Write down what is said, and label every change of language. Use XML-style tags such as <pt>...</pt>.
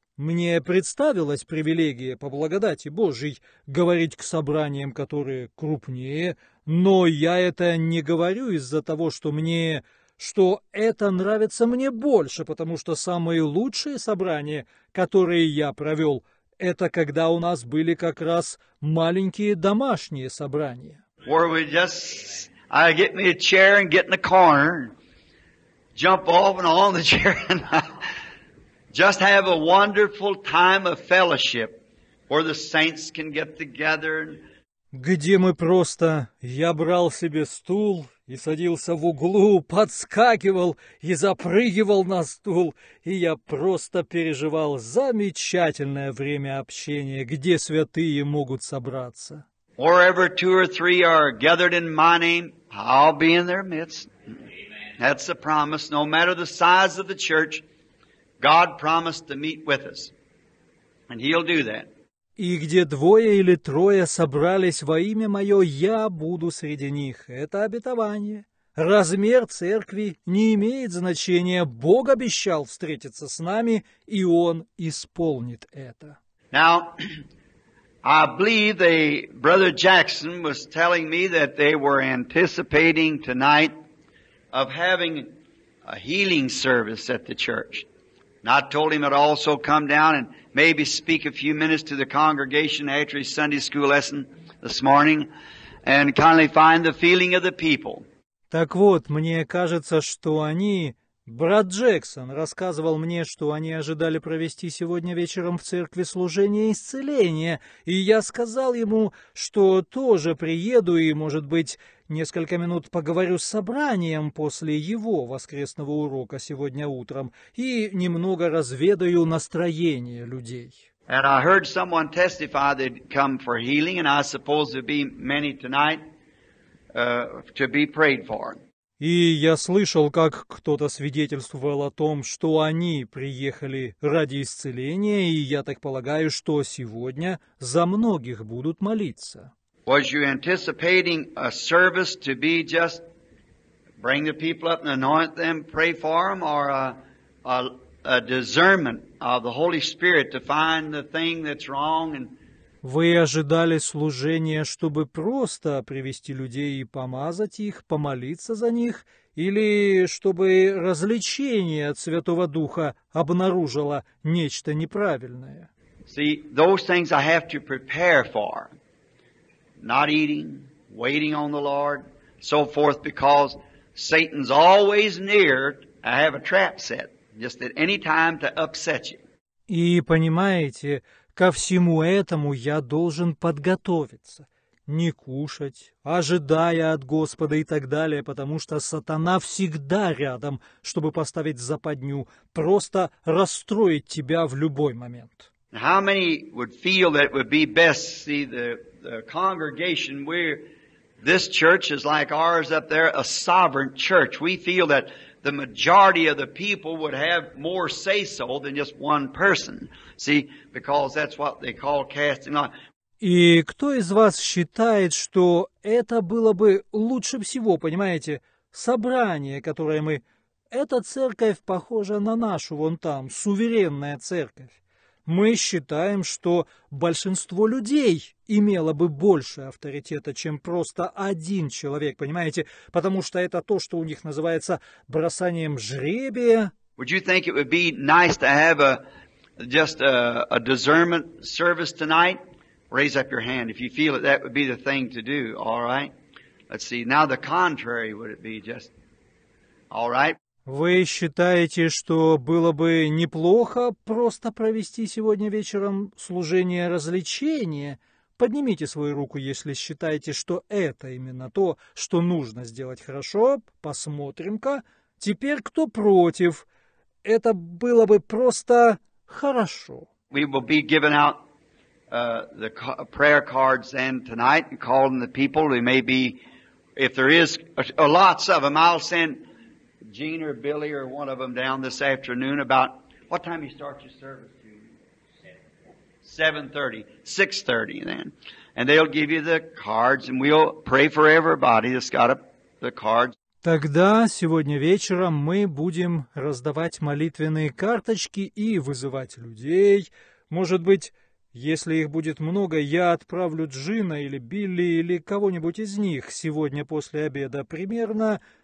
<ru>Мне представилась привилегия по благодати Божьей говорить к собраниям, которые крупнее, но я это не говорю из-за того, что это нравится мне больше, потому что самые лучшие собрания, которые я провел, это когда у нас были как раз маленькие домашние собрания.</ru> <en>Where we just, I get me a chair and get in the corner, jump off and on the chair, and just have a wonderful time of fellowship, where the saints can get together.</en> <ru>Где мы просто, я брал себе стул и садился в углу, подскакивал и запрыгивал на стул, и я просто переживал замечательное время общения, где святые могут собраться.</ru> <en>Wherever two or three are gathered in my name, I'll be in their midst. That's a promise. No matter the size of the church, God promised to meet with us. And he'll do that.</en> <ru>И где двое или трое собрались во имя мое, я буду среди них. Это обетование. Размер церкви не имеет значения. Бог обещал встретиться с нами, и он исполнит это.</ru> <en>Now, I believe the brother Jackson was telling me that they were anticipating tonight of having a healing service at the church. And I told him I'd also come down and maybe speak a few minutes to the congregation after his Sunday school lesson this morning and kindly find the feeling of the people.</en> <ru>Так вот, мне кажется, что они... Брат Джексон рассказывал мне, что они ожидали провести сегодня вечером в церкви служение исцеления, и я сказал ему, что тоже приеду и, может быть, несколько минут поговорю с собранием после его воскресного урока сегодня утром и немного разведаю настроение людей.</ru> <en>And I heard someone testify they'd come for healing, and I suppose there'd be many tonight to be prayed for.</en> <ru>И я слышал, как кто-то свидетельствовал о том, что они приехали ради исцеления, и я так полагаю, что сегодня за многих будут молиться.</ru> <en>Was you anticipating a service to be just bring the people up and anoint them, pray for them, or a discernment of the Holy Spirit to find the thing that's wrong and...</en> <ru>Вы ожидали служения, чтобы просто привести людей и помазать их, помолиться за них, или чтобы развлечение от Святого Духа обнаружило нечто неправильное?</ru> <en>See, those things I have to prepare for. Not eating, waiting on the Lord, so forth, because Satan's always near. I have a trap set, just at any time to upset you.</en> <ru>И понимаете, ко всему этому я должен подготовиться, не кушать, ожидая от Господа и так далее, потому что сатана всегда рядом, чтобы поставить западню, просто расстроить тебя в любой момент.</ru> <en>How many would feel that it would be best, see, the congregation, we're, this church is like ours up there, a sovereign church. We feel that the majority of the people would have more say-so than just one person, see, because that's what they call casting lot.</en> <ru>И кто из вас считает, что это было бы лучше всего, понимаете, собрание, которое мы... Эта церковь похожа на нашу вон там, суверенная церковь. Мы считаем, что большинство людей имело бы больше авторитета, чем просто один человек, понимаете? Потому что это то, что у них называется бросанием жребия.</ru> <en>Would you think it would be nice to have a discernment service tonight? Raise up your hand if you feel that would be the thing to do, all right? Let's see, now the contrary would it be just, all right?</en> <ru>Вы считаете, что было бы неплохо просто провести сегодня вечером служение развлечения? Поднимите свою руку, если считаете, что это именно то, что нужно сделать хорошо. Посмотрим-ка. Теперь кто против? Это было бы просто хорошо.</ru> <en>We will be giving out the prayer cards then tonight and calling the people. We may be, if there is lots of them, I'll send Gene or Billy or one of them down this afternoon about, what time you start your service, Gene? 6:30 then. And they'll give you the cards and we'll pray for everybody that's got the cards.</en> <ru>Тогда сегодня вечером мы будем раздавать молитвенные карточки и вызывать людей. Может быть, если их будет много, я отправлю Джина или Билли или кого-нибудь из них сегодня после обеда примерно...</ru>